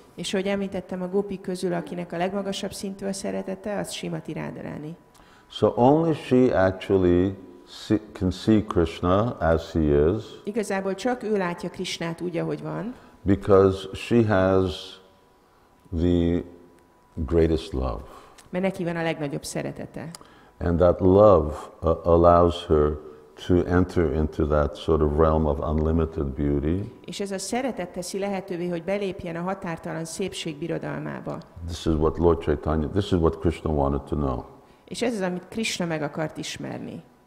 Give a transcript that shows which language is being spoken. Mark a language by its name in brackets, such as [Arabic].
[Hungarian] És hogy említettem, a gópik közül, akinek a legmagasabb szintű a szeretete, az Srimati Radharani. [English] So only she actually can see Krishna as he is. [Hungarian] Igazából csak ő látja Krishnát úgy, ahogy van. [English] Because she has the greatest love. [Hungarian] Mert neki van a legnagyobb szeretete. [English] And that love allows her to enter into that sort of realm of unlimited beauty. [Hungarian] És ez a szeretet teszi lehetővé, hogy belépjen a határtalan szépség birodalmába. [English] This is what Lord Chaitanya, this is what Krishna wanted to know. [Hungarian] És ez az, amit Krishna meg akart ismerni.